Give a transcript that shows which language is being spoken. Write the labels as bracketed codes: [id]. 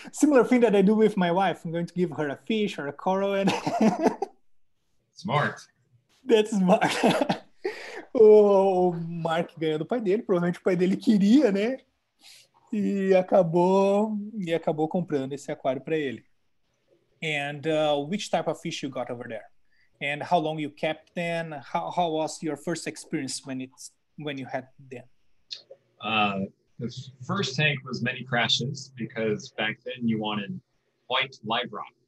[en] Similar thing that I do with my wife. I'm going to give her a fish or a coral. And smart. That's smart. [pt] O Mark ganhou do pai dele, provavelmente o pai dele queria, né? E acabou comprando esse aquário para ele. [en] And which type of fish you got over there? And how long you kept them? How was your first experience when you had them? The first tank was many crashes because back then you wanted white live rock.